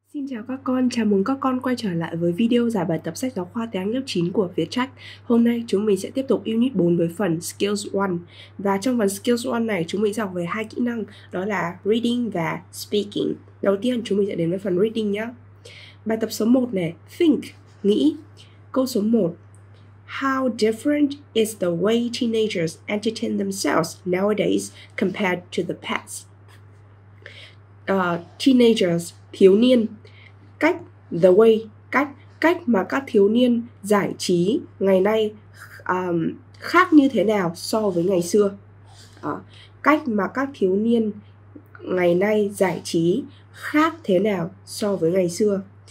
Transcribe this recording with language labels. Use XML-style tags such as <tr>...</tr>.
<vi>Chào các con, chào mừng các con quay trở lại với video giải bài tập sách giáo khoa tiếng Anh lớp 9 của Viettrack. Hôm nay chúng mình sẽ tiếp tục unit 4 với phần Skills 1. Và trong phần Skills 1 này chúng mình sẽ học về hai kỹ năng, đó là Reading và Speaking. Đầu tiên chúng mình sẽ đến với phần Reading nhé. Bài tập số 1 này, Think, nghĩ. Câu số 1:</vi> <en>How different is the way teenagers entertain themselves nowadays compared to the past?</en> <vi>Teenagers, thiếu niên. Cách,</vi> <en>the way,</en> <vi>cách mà các thiếu niên giải trí ngày nay khác như thế nào so với ngày xưa. Cách mà các thiếu niên ngày nay giải trí khác thế nào so với ngày xưa.</vi>